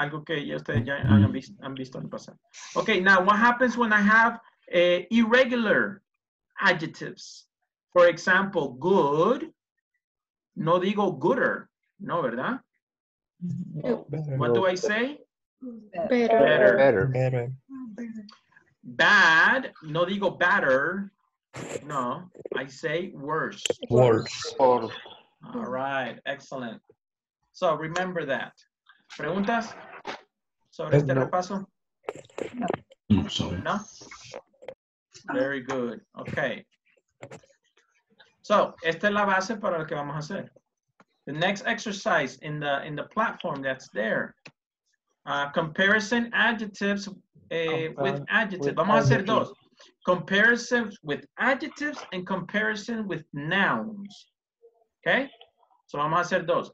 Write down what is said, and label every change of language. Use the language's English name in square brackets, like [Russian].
[Spanish] Algo que ya ustedes ya han visto en el pasado. [English] Okay, now what happens when I have irregular adjectives? For example, good. [Spanish] No digo [English] gooder. [Spanish] No, ¿verdad? No. [English] What do I say? Better. Bad, [Spanish] no digo [English] better, no, I say worse. Worse. All right, excellent. So remember that. [Spanish] ¿Preguntas sobre este repaso? No. [English] Very good. Okay. [Spanish] So, esta es la base para lo que vamos a hacer. [English] The next exercise in the platform that's there. Comparison adjectives with adjectives. [Spanish] Vamos a hacer dos. [English] Comparison with adjectives and comparison with nouns. Okay? So [Spanish] vamos a hacer dos.